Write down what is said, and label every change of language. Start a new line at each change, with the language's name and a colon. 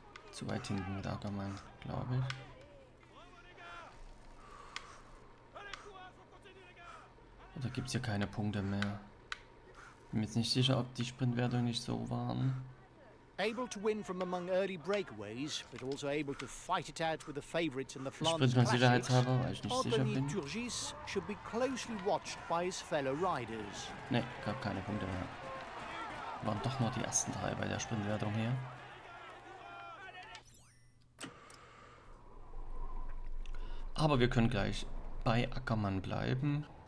German: Zu weit hinten mit Ackermann, glaube ich. Da gibt es ja keine Punkte mehr. Bin mir jetzt nicht sicher, ob die Sprintwertungen nicht so waren.
English: Able to win from among early breakaways, but also able to fight it out with the favorites in the Flanders Classics.
German: Weil ich nicht sicher bin.
English: Turgis should be closely watched by his fellow riders.
German: Ne, gab keine Punkte mehr. Waren doch nur die ersten drei bei der Sprintwertung hier. Aber wir können gleich bei Ackermann bleiben.